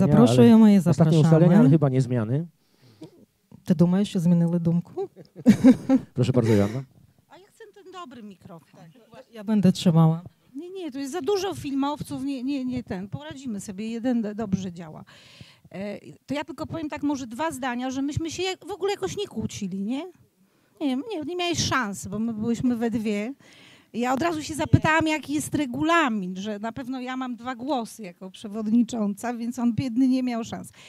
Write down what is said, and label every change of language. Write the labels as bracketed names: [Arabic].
[Polish] Zapraszamy i zapraszamy. Ostatnie ustalenia, ale chyba nie zmiany. [Ukrainian] Ty думаєш, що змінили думку? [Polish] Proszę bardzo, Joanna. A ja chcę ten dobry mikrofon. Ja będę trzymała. Nie, nie, to jest za dużo filmowców, nie ten. Poradzimy sobie, jeden dobrze działa. To ja tylko powiem tak może dwa zdania, że myśmy się w ogóle jakoś nie kłócili, nie? Nie miałeś szans, bo my byłyśmy we dwie. Ja od razu się zapytałam, jaki jest regulamin, że na pewno ja mam dwa głosy jako przewodnicząca, więc on biedny nie miał szans.